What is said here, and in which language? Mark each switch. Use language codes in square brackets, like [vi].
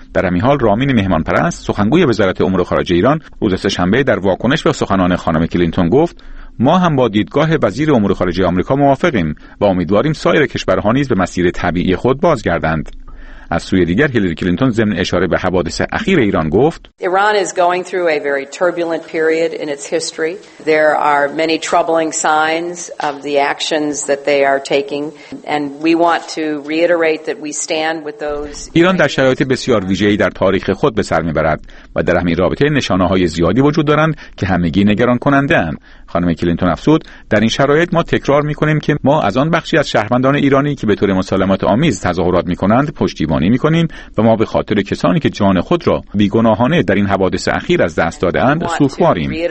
[fa] در همین حال رامین مهمان‌پرست، سخنگوی وزارت امور خارجه ایران، روز سه‌شنبه در واکنش به سخنان خانم کلینتون گفت ما هم با دیدگاه وزیر امور خارجه آمریکا موافقیم و امیدواریم سایر کشورها نیز به مسیر طبیعی خود بازگردند. از سوی دیگر هیلاری کلینتون ضمن اشاره به حوادث اخیر ایران گفت [en] Iran is going through a very turbulent period in its history. There are many troubling signs of the actions that they are taking and we want to reiterate that we stand with those. [fa] ایران در شرایط بسیار ویژه‌ای در تاریخ خود به سر می‌برد و در همین رابطه نشانه‌های زیادی وجود دارند که همگی نگران کننده اند. خانم کلینتون افزود در این شرایط ما تکرار می‌کنیم که ما از آن بخشی از شهروندان ایرانی که به طور مسالمت‌آمیز تظاهرات می‌کنند پشتیبانی می‌کنیم و ما به خاطر کسانی که جان خود را بی‌گناهانه در این حوادث اخیر از دست داده‌اند سوگواریم.